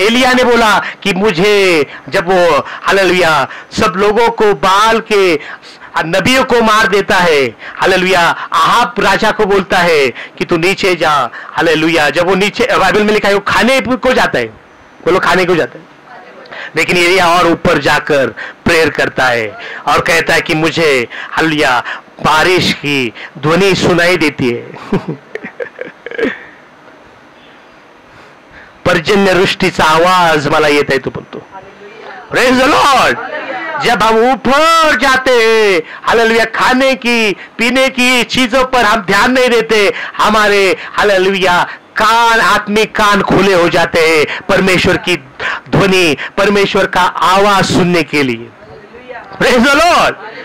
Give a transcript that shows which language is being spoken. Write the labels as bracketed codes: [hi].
[hi] एलिया ने बोला कि मुझे जब वो हालेलुया सब लोगों को बाल के नबियों को मार देता है हालेलुया, आहाब राजा को बोलता है कि तू नीचे जा हालेलुया, जब वो नीचे बाइबल में लिखा है वो खाने को जाता है, बोलो खाने को जाता है, लेकिन एलिया और ऊपर जाकर प्रेयर करता है और कहता है कि मुझे हालेलुया बारिश की ध्वनि सुनाई देती है। [mr] पर्जन्य वृष्टिचा आवाज मला येत आहे, तू बोलतो। [en] Praise the lord. [hi] जब हम ऊपर जाते हालेलुया खाने की पीने की चीजों पर हम ध्यान नहीं देते, हमारे हालेलुया कान, आत्मिक कान खुले हो जाते हैं परमेश्वर की ध्वनि, परमेश्वर का आवाज सुनने के लिए। [en] Praise the lord.